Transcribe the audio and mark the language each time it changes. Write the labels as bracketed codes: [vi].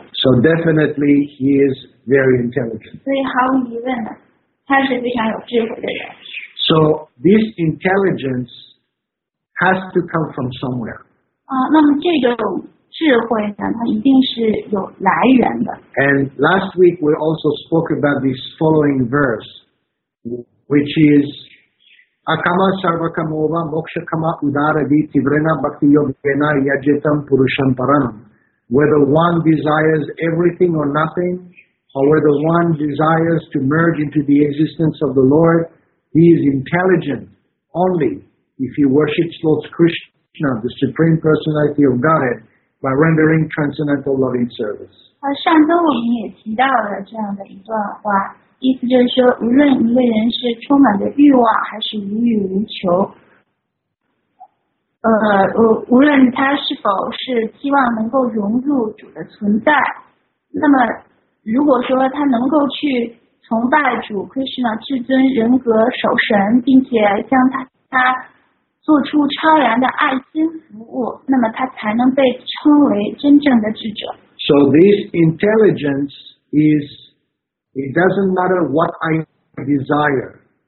[en] So definitely he is very intelligent. [zh] 所以毫无疑问的，他是非常有智慧的人。 [en] So this intelligenceHas to come from somewhere. [zh] 那么这个智慧呢，它一定是有来源的。 [en] And last week we also spoke about this following verse, which is [sa] Akama sarvakamova moksha kama udara viti vrena bhakti yogena yajetam purusham paranam. [en] Whether one desires everything or nothing, or whether one desires to merge into the existence of the Lord, he is intelligent only. If he worships Lord Krishna, the Supreme Personality of Godhead, by rendering transcendental loving service. [zh] 上周我们也提到了这样的一段话，意思就是说，无论一个人是充满着欲望，还是无欲无求，无论他是否是希望能够融入主的存在，那么如果说他能够去崇拜主 Krishna 至尊人格守神，并且将他做出超然的爱心服务，那么他才能被称为真正的智者。 [en] So this intelligence is, it doesn't matter what I desire.